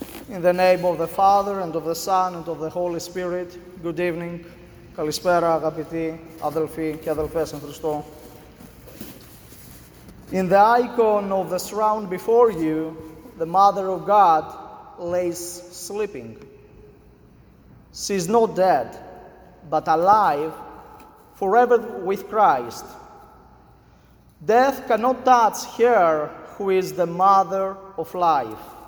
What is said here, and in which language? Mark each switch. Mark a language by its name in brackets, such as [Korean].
[English] In the name of the Father and of the Son and of the Holy Spirit. Good evening. [Greek] Καλησπέρα, αγαπητοί αδελφοί και αδελφές εν Χριστώ. [English] In the icon of the shrine before you, the Mother of God lays sleeping. She is not dead, but alive, forever with Christ. Death cannot touch her who is the Mother of Life.